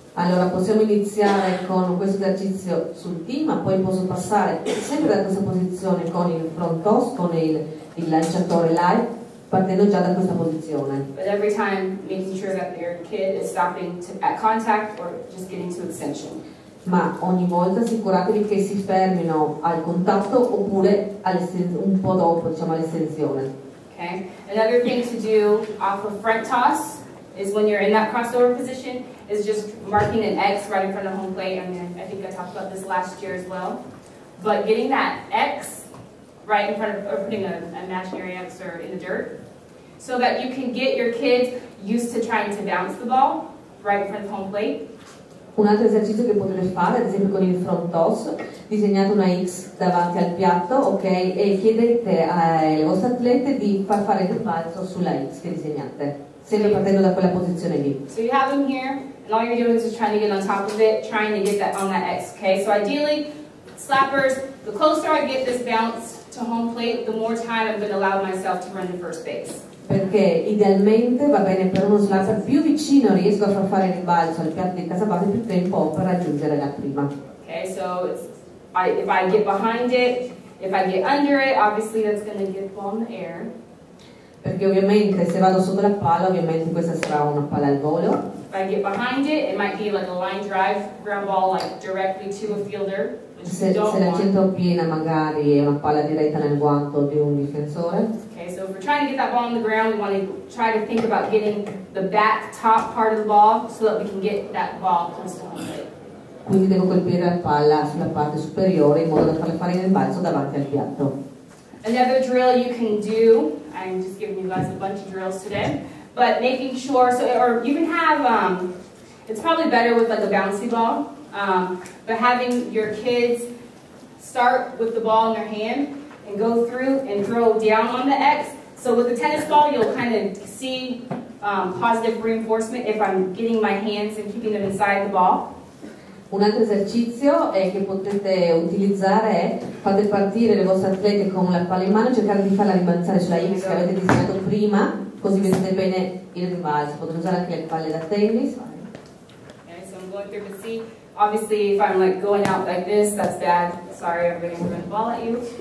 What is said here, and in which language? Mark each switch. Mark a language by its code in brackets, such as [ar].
[it] Allora, possiamo iniziare con questo esercizio sul tee, ma poi posso passare sempre da questa posizione con il front toss, con il lanciatore live, partendo già da questa posizione. [en] But every time making sure that your kid is stopping to, at contact or just getting to extension. [it] Ma ogni volta assicuratevi che si fermino al contatto oppure un po' dopo, diciamo, all'estensione. [en] Okay. Another thing to do off of front toss is when you're in that crossover position, is just marking an X right in front of home plate. I mean, I think I talked about this last year as well. But getting that X right in front of, or putting a imaginary X or in the dirt, so that you can get your kids used to trying to bounce the ball right in front of home plate. [it] Un altro esercizio che potete fare, ad esempio con il front toss, disegnate una X davanti al piatto, ok? E chiedete ai vostri atleti di far fare il balzo sulla X che disegnate. Sempre partendo da quella posizione lì. [en] So you have them here, and all you're doing is trying to get on top of it, trying to get that on that X, okay? So ideally, slappers, the closer I get this bounce to home plate, the more time I'm going to allow myself to run to first base. [it] Perché idealmente, va bene, per uno slapper più vicino riesco a far fare il balzo al piatto di casa base più tempo per raggiungere la prima. [en] Okay, so if I get behind it, if I get under it, obviously that's going to get the ball in the air. [it] Perché ovviamente se vado sotto la palla, ovviamente questa sarà una palla al volo. [en] If I get behind it, it might be like a line drive ground ball, like directly to a fielder. [it] Se la centro piena, magari è una palla diretta nel guanto di un difensore. [en] Okay, so if we're trying to get that ball on the ground, we want to try to think about getting the back top part of the ball so that we can get that ball close to home plate. [it] Quindi devo colpire la palla sulla parte superiore in modo da farla fare in rimbalzo davanti al piatto. [en] Another drill you can do, I'm just giving you guys a bunch of drills today, but making sure, so or you can have, it's probably better with like a bouncy ball, but having your kids start with the ball in their hand and go through and throw down on the X. So with the tennis ball, you'll kind of see positive reinforcement if I'm getting my hands and keeping them inside the ball. [it] Un altro esercizio che potete utilizzare è fate partire le vostre atlete con la palla in mano, cercate di farla rimbalzare sulla X che avete disegnato prima, così vedete bene il rimbalzo. Potete usare anche le palle da tennis. [en] Okay, so I'm going through to see. Obviously if I'm like going out like this, that's bad. Sorry, I'm going to throw the ball at you.